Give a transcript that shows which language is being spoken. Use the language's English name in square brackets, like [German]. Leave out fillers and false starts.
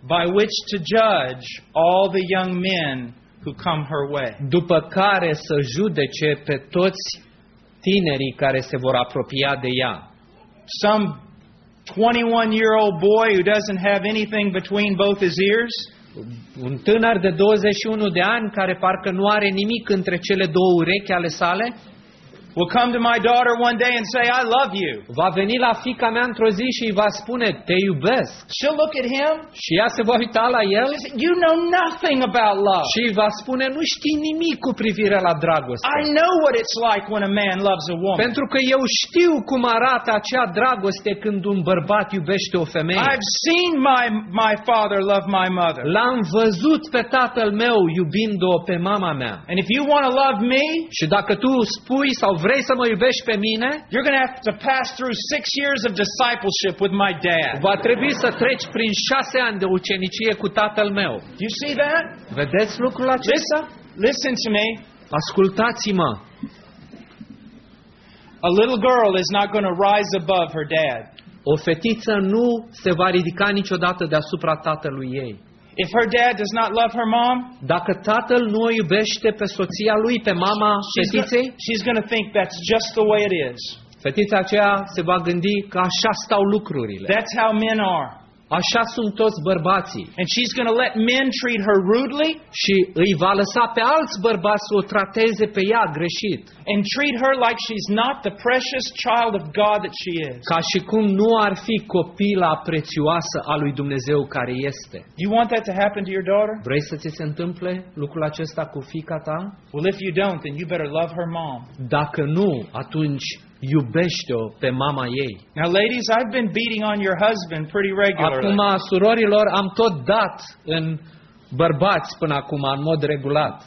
[English] by which to judge all the young men who come her way. [Romanian] După care să judece pe toți tinerii care se vor apropia de ea. [English] Some 21-year-old boy who doesn't have anything between both his ears. [Romanian] Un tânăr de 21 de ani care parcă nu are nimic între cele două urechi ale sale [English] will come to my daughter one day and say I love you. [Romanian] Va veni la fiica mea într-o zi și îi va spune te iubesc. [English] She'll look at him. [Romanian] Și ea se va uita la el. [English] You know nothing about love. [Romanian] Și va spune nu știi nimic cu privire la dragoste. [English] I know what it's like when a man loves a woman. [Romanian] Pentru că eu știu cum arată acea dragoste când un bărbat iubește o femeie. [English] I've seen my father love my mother. [Romanian] L-am văzut pe tatăl meu iubind-o pe mama mea. [English] And if you want to love me, [Romanian] și dacă tu spui sau vrei să mă iubești pe mine? [English] You're going to have to pass through 6 years of discipleship with my dad. [Romanian] Va trebui să treci prin 6 ani de ucenicie cu tatăl meu. [English] You see that? [Romanian] Vedeți lucrul acesta? [English] Listen to me. [Romanian] Ascultați-mă. [English] A little girl is not going to rise above her dad. [Romanian] O fetiță nu se va ridica niciodată deasupra tatălui ei. [English] If her dad does not love her mom, [Romanian] dacă tatăl nu o iubește pe soția lui, pe mama fetiței, [English] she's going to think that's just the way it is. [Romanian] Fetița aceea se va gândi că așa stau lucrurile. [English] That's how men are. [Romanian] Așa sunt toți bărbații. [English] And she's going to let men treat her rudely, [Romanian] și îi va lăsa pe alți bărbați să o trateze pe ea greșit. [English] And treat her like she's not the precious child of God that she is. [Romanian] Ca și cum nu ar fi copila prețioasă a lui Dumnezeu care este. [English] You want that to happen to your daughter? [Romanian] Vrei să ți se întâmple lucrul acesta cu fiica ta? [English] Well, if you don't, then you better love her mom. [Romanian] Dacă nu, atunci iubește-o pe mama ei. [English] Now ladies, I've been beating on your husband pretty regularly. [Romanian] Acum, surorilor, am tot dat în bărbați până acum în mod regulat.